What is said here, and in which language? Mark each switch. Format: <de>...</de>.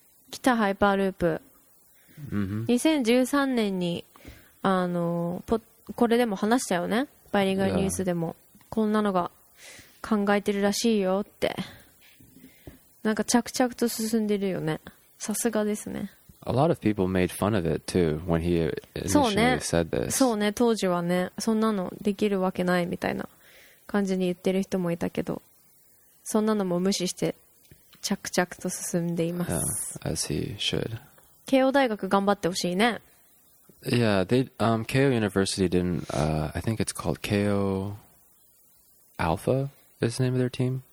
<ja>来たハイパーループ。2013年に、ポッドこれでも話したよね。バイリンガルニュースでも、yeah. こんなのが考えてるらしいよって。なんか着々と進んでるよね。さすがですね。</ja> <en>A lot of people made fun of it too when he initially said this.</en> <ja>そうね、当時はね、そんなのできるわけないみたいな感じに言ってる人もいたけど、そんなのも無視して着々と進んでいます。</ja> <en>yeah, as he should.</en> <ja>慶応大学頑張ってほしいね。</ja> <en>Yeah, they, Keio University didn't, I think it's called Keio Alpha is the name of their team.</en>